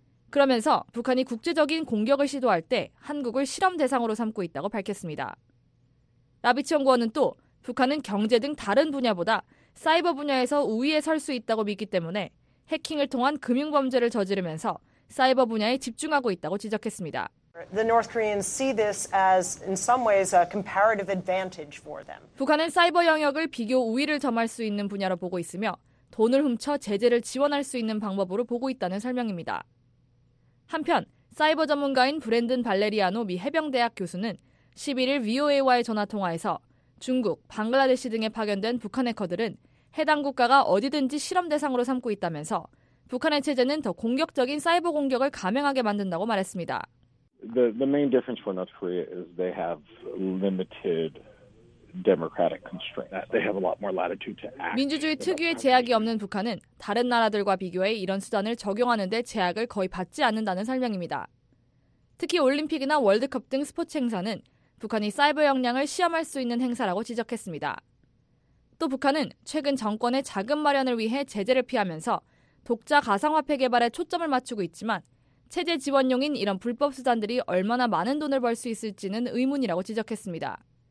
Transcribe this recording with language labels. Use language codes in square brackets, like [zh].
[ko] 그러면서 북한이 국제적인 공격을 시도할 때 한국을 실험 대상으로 삼고 있다고 밝혔습니다. 라비츠 연구원은 또 북한은 경제 등 다른 분야보다 사이버 분야에서 우위에 설 수 있다고 믿기 때문에 해킹을 통한 금융 범죄를 저지르면서 사이버 분야에 집중하고 있다고 지적했습니다. [en] The North Koreans see this as in some ways a comparative advantage for them. [ko] 북한은 사이버 영역을 비교 우위를 점할 수 있는 분야로 보고 있으며 돈을 훔쳐 제재를 지원할 수 있는 방법으로 보고 있다는 설명입니다. 한편 사이버 전문가인 브랜든 발레리아노 미 해병대학 교수는 11일 VOA와의 전화통화에서 중국, 방글라데시 등에 파견된 북한 해커들은 해당 국가가 어디든지 실험 대상으로 삼고 있다면서 북한의 체제는 더 공격적인 사이버 공격을 감행하게 만든다고 말했습니다. [en] The main difference for North Korea is they have limited democratic constraints. They have a lot more latitude to act. [ko] 민주주의 특유의 제약이 없는 북한은 다른 나라들과 비교해 이런 수단을 적용하는데 제약을 거의 받지 않는다는 설명입니다. 특히 올림픽이나 월드컵 등 스포츠 행사는 북한이 사이버 역량을 시험할 수 있는 행사라고 지적했습니다. 또 북한은 최근 정권의 자금 마련을 위해 제재를 피하면서 독자 가상화폐 개발에 초점을 맞추고 있지만 체제 지원용인 이런 불법 수단들이 얼마나 많은 돈을 벌 수 있을지는 의문이라고 지적했습니다.